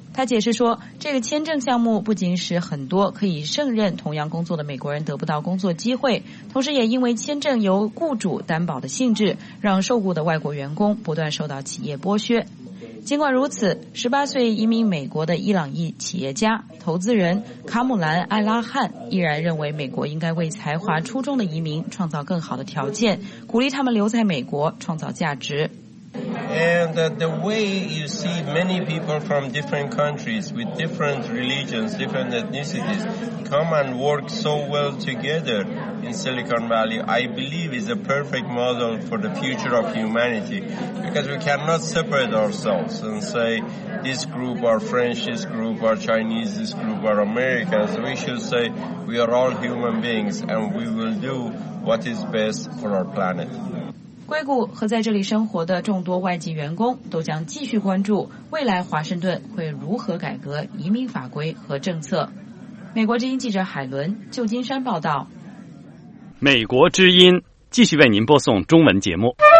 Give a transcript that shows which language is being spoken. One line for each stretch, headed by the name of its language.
Chinese: 他解释说，这个签证项目不仅使很多可以胜任同样工作的美国人得不到工作机会，同时也因为签证由雇主担保的性质，让受雇的外国员工不断受到企业剥削。尽管如此，18岁移民美国的伊朗裔企业家、投资人卡姆兰·艾拉汉依然认为美国应该为才华出众的移民创造更好的条件，鼓励他们留在美国创造价值。
English: And the way you see many people from different countries with different religions, different ethnicities come and work so well together in Silicon Valley, I believe is a perfect model for the future of humanity. Because we cannot separate ourselves and say this group are French, this group are Chinese, this group are Americans. We should say we are all human beings and we will do what is best for our planet.
Chinese: 硅谷和在这里生活的众多外籍员工都将继续关注未来华盛顿会如何改革移民法规和政策。美国之音记者海伦，旧金山报道。美国之音继续为您播送中文节目。